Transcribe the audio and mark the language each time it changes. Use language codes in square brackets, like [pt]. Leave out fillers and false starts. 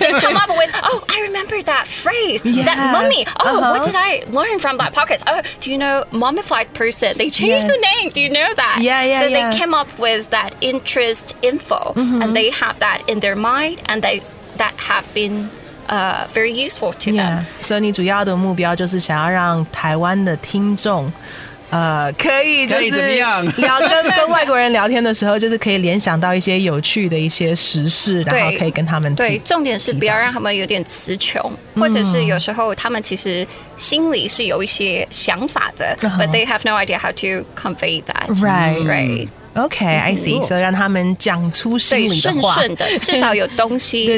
[en] They come up with, oh, I remember that phrase, that mummy. Oh, what did I learn from that podcast? Oh, do you know mummified person? They changed the name. Do you know that? Yeah. So they came up with that interest info and they have that in their mind and they that have been very useful to them. [zh] So 你主要的目标就是想要让台湾的听众 可以就是跟外国人聊天的时候就是可以联想到一些有趣的一些时事然后可以跟他们听对重点是不要让他们有点词穷或者是有时候他们其实心里是有一些想法的 [en] But they have no idea how to convey that Right. Okay, I see. [zh] So 让他们讲出心里的话，对，顺顺的，至少有东西，